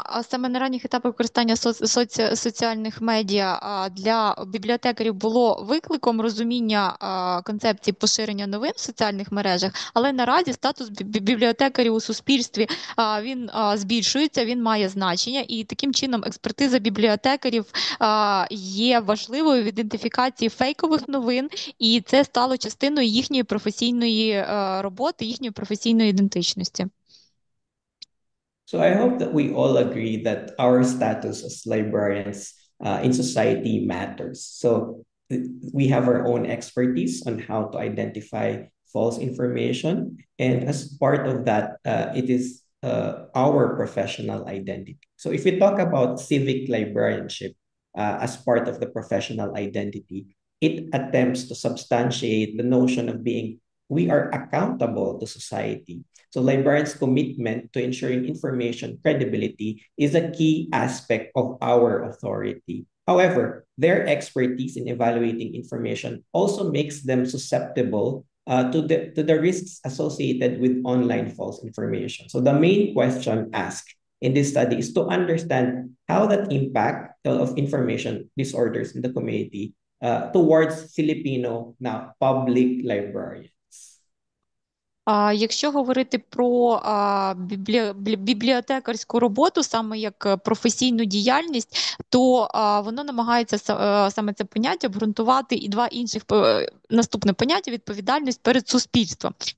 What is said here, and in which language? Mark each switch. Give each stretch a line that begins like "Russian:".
Ukrainian: Саме на ранніх етапах використання соціальних медіа для бібліотекарів було викликом розуміння концепції поширення новин в соціальних мережах, але наразі статус бібліотекарів у суспільстві він збільшується, він має значення, і таким чином експертиза бібліотекарів є важливою в ідентифікації фейкових новин, і це стало частиною їхньої професійної роботи, їхньої професійної ідентичності.
English: So I hope that we all agree that our status as librarians in society matters. So we have our own expertise on how to identify false information. And as part of that, it is our professional identity. So if we talk about civic librarianship as part of the professional identity, It attempts to substantiate the notion of being, we are accountable to society. So librarians' commitment to ensuring information credibility is a key aspect of our authority. However, their expertise in evaluating information also makes them susceptible to the risks associated with online false information. So the main question asked in this study is to understand how that impact of information disorders in the community towards Filipino now public librarians.
Ukrainian: Якщо говорити про бібліотекарську роботу, саме як професійну діяльність, то воно намагається саме це поняття обґрунтувати і два інших наступне поняття – відповідальність перед суспільством.